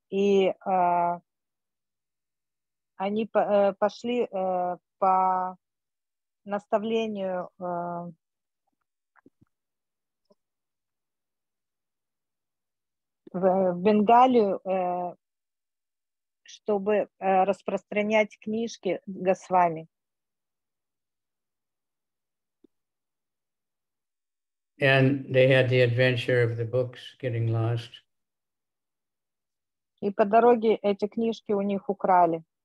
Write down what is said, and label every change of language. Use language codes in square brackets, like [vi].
[ru] И они пошли по наставлению в Бенгалию, чтобы распространять книжки Госвами. [en] And they had the adventure of the books getting lost. [ru] И по дороге эти книжки у них украли.